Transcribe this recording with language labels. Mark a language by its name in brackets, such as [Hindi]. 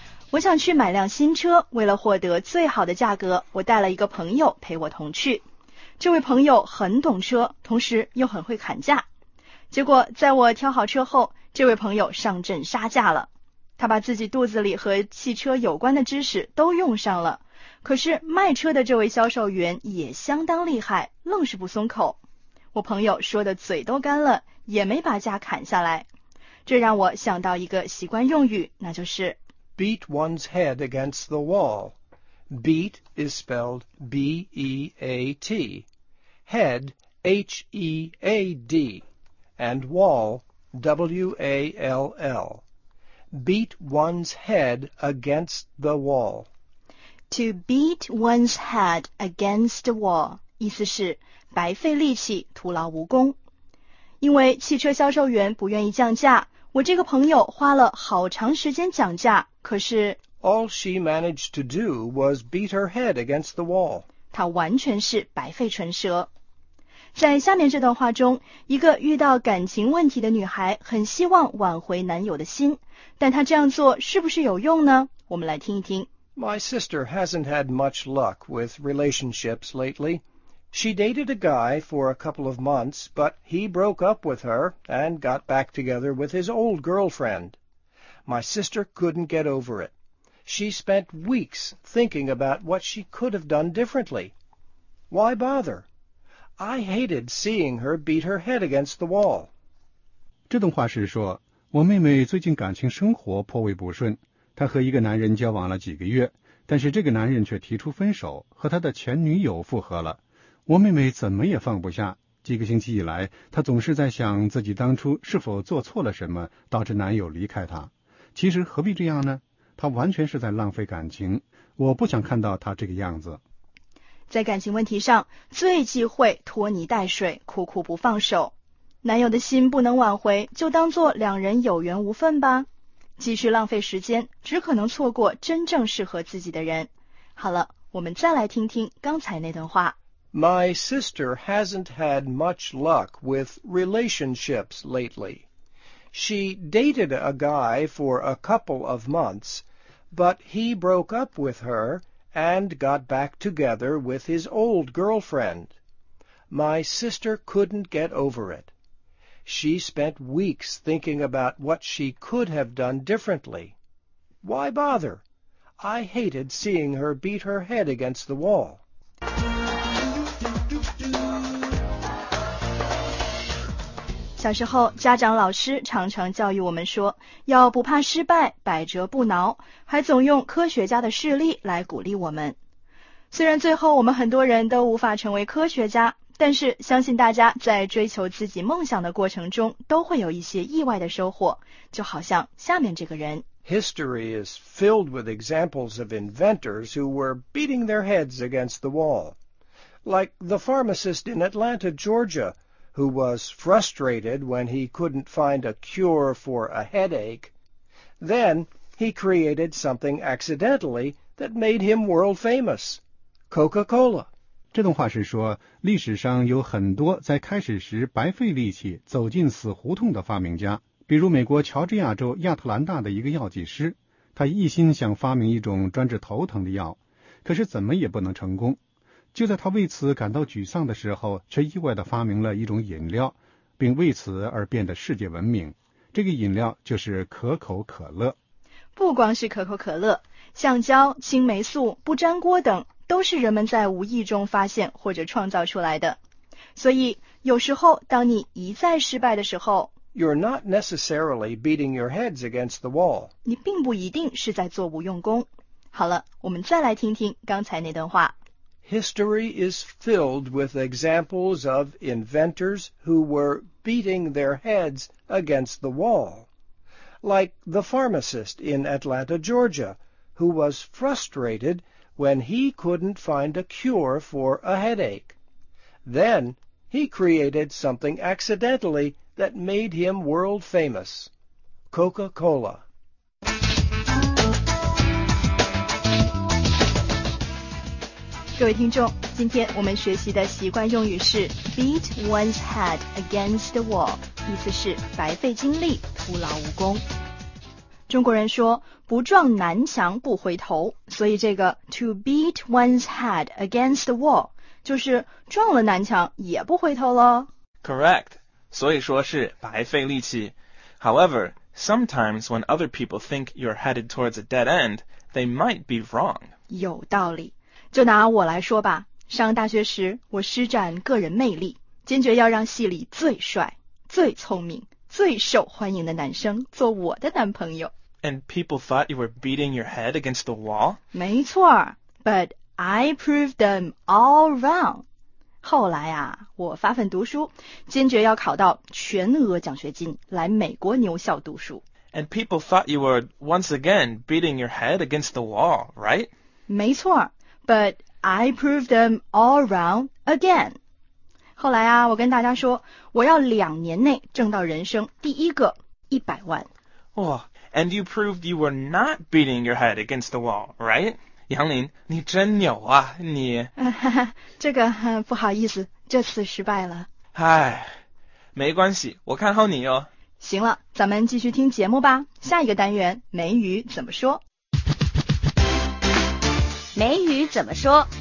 [Chinese] 我想去买辆新车为了获得最好的价格我带了一个朋友陪我同去这位朋友很懂车同时又很会砍价结果在我挑好车后这位朋友上阵杀价了他把自己肚子里和汽车有关的知识都用上了可是卖车的这位销售员也相当厉害愣是不松口我朋友说的嘴都干了也没把价砍下来这让我想到一个习惯用语那就是 [English] beat one's head against the wall beat is spelled b-e-a-t head h-e-a-d and wall w-a-l-l beat one's head against the wall to beat one's head against the wall [Chinese] 意思是白费力气徒劳无功因为汽车销售员不愿意降价我这个朋友花了好长时间讲价可是 [English] All she managed to do was beat her head against the wall [Chinese] 她完全是白费唇舌在下面这段话中一个遇到感情问题的女孩很希望挽回男友的心但她这样做是不是有用呢我们来听一听 [English] My sister hasn't had much luck with relationships lately She dated a guy for a couple of months, but he broke up with her and got back together with his old girlfriend. My sister couldn't get over it. She spent weeks thinking about what she could have done differently. Why bother? I hated seeing her beat her head against the wall. [Chinese] 这段话是说，我妹妹最近感情生活颇为不顺，她和一个男人交往了几个月，但是这个男人却提出分手，和她的前女友复合了。我妹妹怎么也放不下，几个星期以来，她总是在想自己当初是否做错了什么，导致男友离开她。其实何必这样呢？她完全是在浪费感情，我不想看到她这个样子。在感情问题上，最忌讳拖泥带水，苦苦不放手。男友的心不能挽回，就当作两人有缘无分吧。继续浪费时间，只可能错过真正适合自己的人。好了，我们再来听听刚才那段话。 [English] My sister hasn't had much luck with relationships lately. She dated a guy for a couple of months, but he broke up with her and got back together with his old girlfriend. My sister couldn't get over it. She spent weeks thinking about what she could have done differently. Why bother? I hated seeing her beat her head against the wall. [Chinese] 小时候，家长老师常常教育我们说，要不怕失败，百折不挠，还总用科学家的事例来鼓励我们。虽然最后我们很多人都无法成为科学家，但是相信大家在追求自己梦想的过程中都会有一些意外的收获，就好像下面这个人。 [English] History is filled with examples of inventors who were beating their heads against the wall. Like the pharmacist in Atlanta, Georgia, who was frustrated when he couldn't find a cure for a headache. Then he created something accidentally that made him world famous, Coca-Cola. [Chinese] 这段话是说，历史上有很多在开始时白费力气走进死胡同的发明家，比如美国乔治亚州亚特兰大的一个药剂师，他一心想发明一种专治头疼的药，可是怎么也不能成功。就在他为此感到沮丧的时候，却意外地发明了一种饮料，并为此而变得世界闻名。这个饮料就是可口可乐。不光是可口可乐，橡胶、青霉素、不粘锅等都是人们在无意中发现或者创造出来的。所以有时候当你一再失败的时候， [English] You're not necessarily beating your heads against the wall. [Chinese] 你并不一定是在做无用功。好了，我们再来听听刚才那段话。 [English] History is filled with examples of inventors who were beating their heads against the wall. Like the pharmacist in Atlanta, Georgia, who was frustratedwhen he couldn't find a cure for a headache. Then he created something accidentally that made him world famous, Coca-Cola. [Chinese] 各位听众，今天我们学习的习惯用语是 [English] beat one's head against the wall, [Chinese] 意思是白费精力，徒劳无功。中国人说不撞南墙不回头，所以这个 [English] to beat one's head against the wall [Chinese] 就是撞了南墙也不回头咯。 [English] Correct, [Chinese] 所以说是白费力气。 [English] However, sometimes when other people think you're headed towards a dead end, they might be wrong. [Chinese] 有道理。就拿我来说吧，上大学时我施展个人魅力，坚决要让系里最帅最聪明最受欢迎的男生做我的男朋友。 [English] And people thought you were beating your head against the wall? [Chinese] 没错， [English] but I proved them all wrong. [Chinese] 后来啊，我发奋读书，坚决要考到全额奖学金，来美国牛校读书。 [English] And people thought you were once again beating your head against the wall, right? [Chinese] 没错， [English] but I proved them all wrong again. [Chinese] 后来啊，我跟大家说，我要两年内挣到人生第一个100万。 [English] 哇、and you proved you were not beating your head against the wall, right? [Chinese] 杨林，你真牛啊，你。这个不好意思，这次失败了。唉，没关系，我看好你哦。行了，咱们继续听节目吧。下一个单元，美语怎么说？美语怎么说